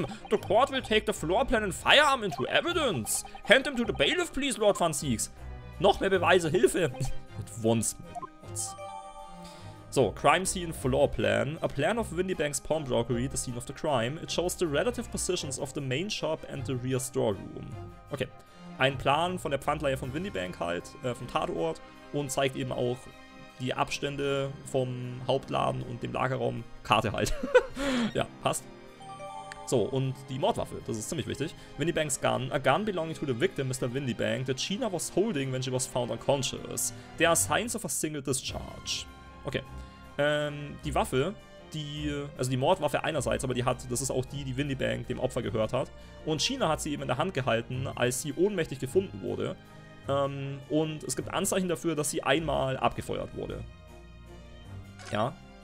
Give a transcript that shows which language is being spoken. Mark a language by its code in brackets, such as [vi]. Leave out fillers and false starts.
[en] The court will take the floor plan and firearm into evidence. Hand them to the bailiff, please, Lord Van Sieks. [de] Noch mehr Beweise, Hilfe. [en] At once, my lords. So, crime scene floor plan. A plan of Windybank's pawnbrokery, the scene of the crime. It shows the relative positions of the main shop and the rear storeroom. Okay. [de] Ein Plan von der Pfandleihe von Windybank halt, vom Tatort. Und zeigt eben auch die Abstände vom Hauptladen und dem Lagerraum. Karte halt. Ja, passt. So, und die Mordwaffe, das ist ziemlich wichtig. [en] Windybank's gun, a gun belonging to the victim, Mr. Windybank, that Gina was holding when she was found unconscious. There are signs of a single discharge. Okay. [de] Die Waffe, die, also die Mordwaffe einerseits, aber die hat, das ist auch die, die Windybank dem Opfer gehört hat. Und Gina hat sie eben in der Hand gehalten, als sie ohnmächtig gefunden wurde. Und es gibt Anzeichen dafür, dass sie einmal abgefeuert wurde. Ja.